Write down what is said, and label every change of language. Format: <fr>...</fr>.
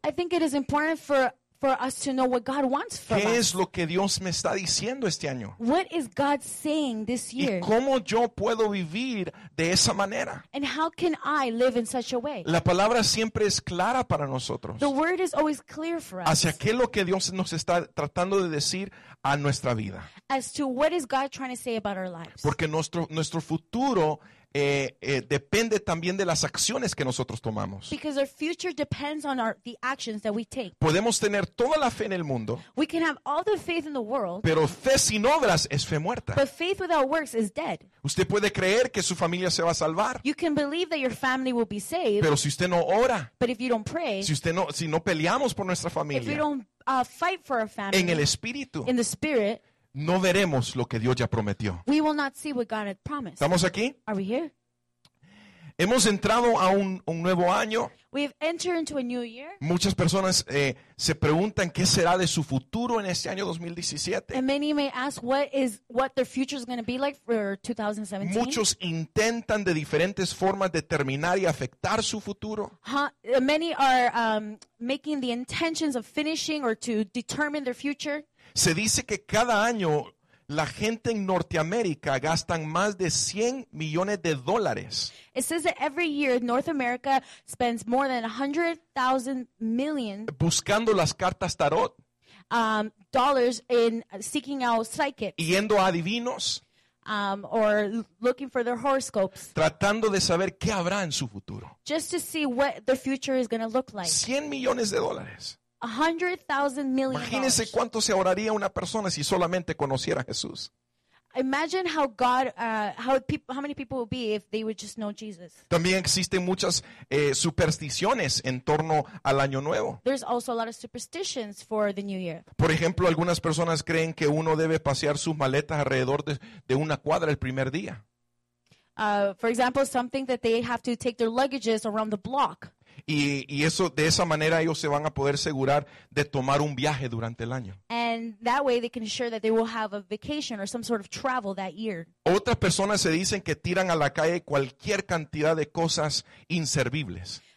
<en>I think it is important for us to know what God wants from</en> <es>¿qué</es> <en>us?</en> <es>¿Qué es lo que Dios me está diciendo este año?</es> <en>What is God saying this year?</en> <es>¿Y cómo yo puedo vivir de esa manera?</es> <en>And how can I live in such a way?</en> <es>La palabra siempre es clara para nosotros.</es> <en>The word is always clear for us.</en> <es>¿Hacia qué es lo que Dios nos está tratando de decir a nuestra vida?</es> <en>As to what is God trying to say about our lives?</en> <es>Porque nuestro futuro depende también de las acciones que nosotros tomamos.</es> <en>Because our future depends on the actions that we take.</en> <es>Podemos tener toda la fe en el mundo.</es> <en>We can have all the faith in the world.</en> <es>Pero fe sin obras es fe muerta.</es> <en>But faith without works is dead.</en> <es>Usted puede creer que su familia se va a salvar.</es> <en>You can believe that your family will be saved.</en> <es>Pero si usted no ora.</es> <en>But if you don't pray.</en> <es>Si no peleamos por nuestra familia.</es> <en>If you don't fight for our family.</en> <es>En el espíritu.</es> <en>In the spirit.</en> <es>No veremos lo que Dios ya prometió.</es> <en>We will not see what God had promised.</en> <es>¿Estamos aquí?</es> <en>Are we here?</en> <es>Hemos entrado a un nuevo año.</es> <en>We have entered into a new year.</en> <es>Muchas personas se preguntan qué será de su futuro en este año 2017.</es> <en>And many may ask what their future is going to be like for 2017.</en> <es>Muchos intentan de diferentes formas determinar y afectar su futuro.</es> <en>Many are making the intentions of finishing or to determine their future.</en> <es>Se dice que cada año la gente en Norteamérica gastan más de 100 millones de dólares.</es> <en>It says that every year North America spends more than 100,000 million</en> <es>buscando las cartas tarot.</es> <en>Dollars in seeking out psychics.</en> <es>Yendo a adivinos.</es> <en>Or looking for their horoscopes.</en> <es>Tratando de saber qué habrá en su futuro.</es> <en>Just to see what the future is going to look like.</en> <es>100 millones de dólares.</es> <en>100,000 million.</en> <es>Imagínese cuánto se ahorraría una persona si solamente conociera a Jesús.</es> <en>Imagine how God, how many people would be if they would just know Jesus.</en> <es>También existen muchas supersticiones en torno al año nuevo.</es> <en>There's also a lot of superstitions for the new year.</en> <es>Por ejemplo, algunas personas creen que uno debe pasear sus maletas alrededor de una cuadra el primer día.</es> <en>for example, something that they have to take their luggages around the block.</en> <es>Y eso, de esa manera ellos se van a poder asegurar de tomar un viaje durante el año.</es> <en>And that way they can ensure that they will have a vacation or some sort of travel that year.</en> <es>Otras personas se dicen que tiran a la calle cualquier cantidad de cosas inservibles.</es>